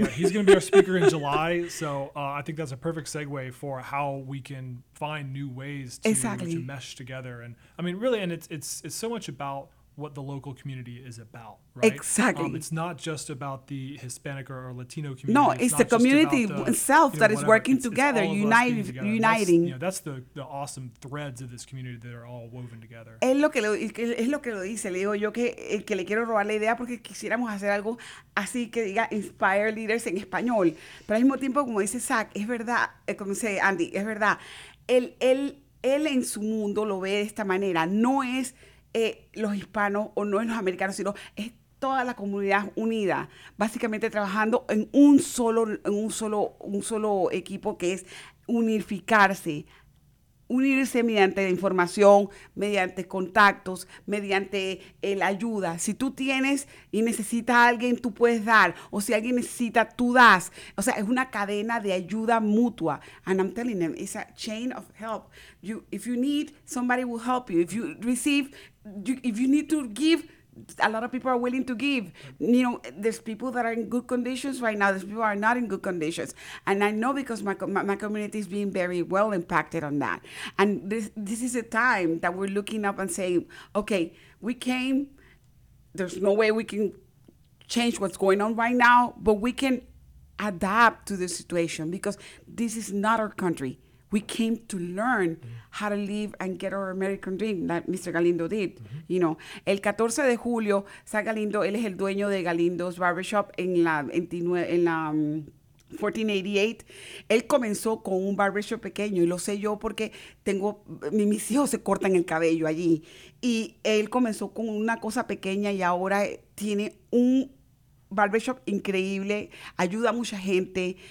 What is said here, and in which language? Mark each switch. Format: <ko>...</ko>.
<en>Yeah, he's going to be our speaker in July. So I think that's a perfect segue for how we can find new ways to mesh together. And I mean, really, and it's so much about what the local community is about, right? Exactly. It's not just about the Hispanic or Latino community. No, it's the community itself, that is working together, uniting. That's the awesome threads of this community that are all woven together.</en> <es>Es lo que lo dice. Le digo yo que le quiero robar la idea porque quisiéramos hacer algo así que diga Inspire Leaders en español. Pero al mismo tiempo, como dice Zach, es verdad, como dice Andy, es verdad. Él en su mundo lo ve de esta manera. No es los hispanos o no es los americanos, sino es toda la comunidad unida, básicamente trabajando en un solo equipo, que es unificarse, unirse mediante la información, mediante contactos, mediante la ayuda. Si tú tienes y necesitas a alguien, tú puedes dar. O si alguien necesita, tú das. O sea, es una cadena de ayuda mutua.</es> <en>And I'm telling them, it's a chain of help. If you need, somebody will help you. If you need to give, a lot of people are willing to give. You know, there's people that are in good conditions right now. There's people that are not in good conditions. And I know because my community is being very well impacted on that. And this is a time that we're looking up and saying, okay, we came. There's no way we can change what's going on right now, but we can adapt to the situation because this is not our country. We came to learn how to live and get our American dream that Mr. Galindo did, you know.</en> <es>El 14 de julio, Zach Galindo, él es el dueño de Galindo's Barbershop en la 1488. Él comenzó con un barbershop pequeño, y lo sé yo porque tengo, mis hijos se cortan el cabello allí. Y él comenzó con una cosa pequeña y ahora tiene un barbershop increíble, ayuda a mucha gente.</es>